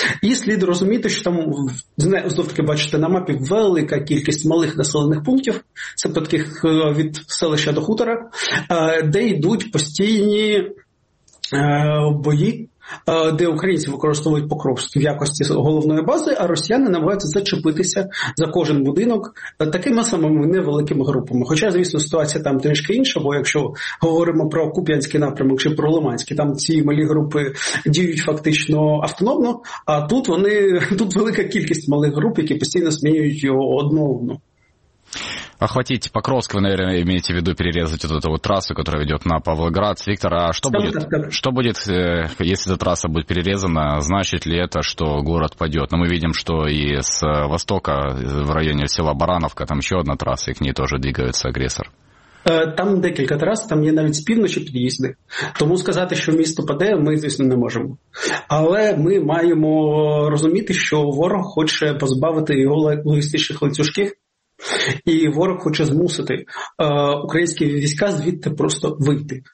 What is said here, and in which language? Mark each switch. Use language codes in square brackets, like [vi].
[uk] І слід розуміти, що там, знов-таки бачите на мапі, велика кількість малих населених пунктів, це по таких від селища до хутора, де йдуть постійні бої, де українці використовують Покровськ в якості головної бази, а росіяни намагаються зачепитися за кожен будинок такими самими невеликими групами. Хоча, звісно, ситуація там трішки інша, бо якщо говоримо про Куп'янський напрямок чи про Лиманський, там ці малі групи діють фактично автономно, а тут велика кількість малих груп, які постійно змінюють його одну одну. [ru] Охватить Покровск, вы, наверное, имеете в виду перерезать вот эту вот трассу, которая ведет на Павлоград. Виктор, а что будет, если эта трасса будет перерезана, значит ли это, что город падет? Но мы видим, что и с востока, в районе села Барановка, там еще одна трасса, и к ней тоже двигается агрессор. [uk] Там декілька трас, там є навіть з півночі під'їзди. Тому сказати, що місто паде, ми, звісно, не можемо. Але ми маємо розуміти, що ворог хоче позбавити його логістичних ланцюжків. І ворог хоче змусити українські війська звідти просто вийти.